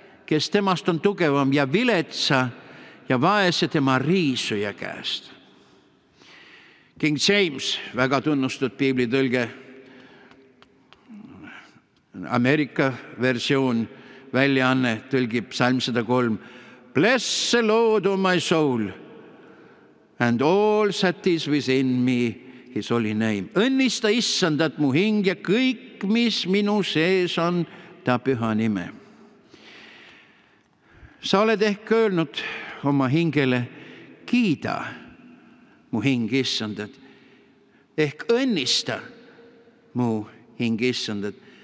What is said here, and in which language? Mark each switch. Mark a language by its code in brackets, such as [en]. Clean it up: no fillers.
[et] kes temast on tugevam ja viletsa ja vaese tema riisuja käest. King James, väga tunnustud piiblitõlge, Amerika versioon, väljaanne, tõlgib psalm 103. [en] Bless the Lord, O my soul, and all that is within me, his holy name. [et] Õnnista issandat mu hing ja kõik, mis minu sees on, ta püha nime. Sa oled ehk öelnud oma hingele, kiida mu hing issandat. Ehk õnnista mu hing issandat.